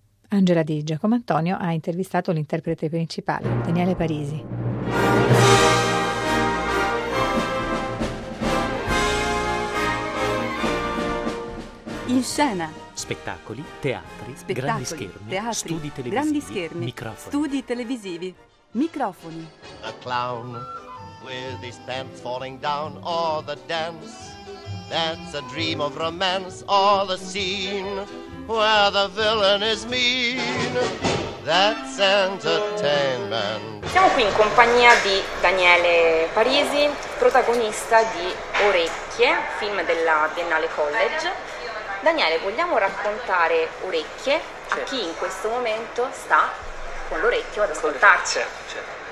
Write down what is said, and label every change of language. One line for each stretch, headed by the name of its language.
Italian: Angela Di Giacomantonio ha intervistato l'interprete principale, Daniele Parisi. In scena. Spettacoli, teatri, spettacoli, grandi schermi, teatri, studi televisivi, grandi schermi, microfoni. Studi televisivi, microfoni.
English: The clown. With his pants falling down, or the dance that's a dream of romance, or the scene where the villain is mean, that's entertainment.
Italian: Siamo qui in compagnia di Daniele Parisi, protagonista di Orecchie, film della Biennale College. Daniele, vogliamo raccontare Orecchie, certo, a chi in questo momento sta con l'orecchio ad ascoltarci. Certo.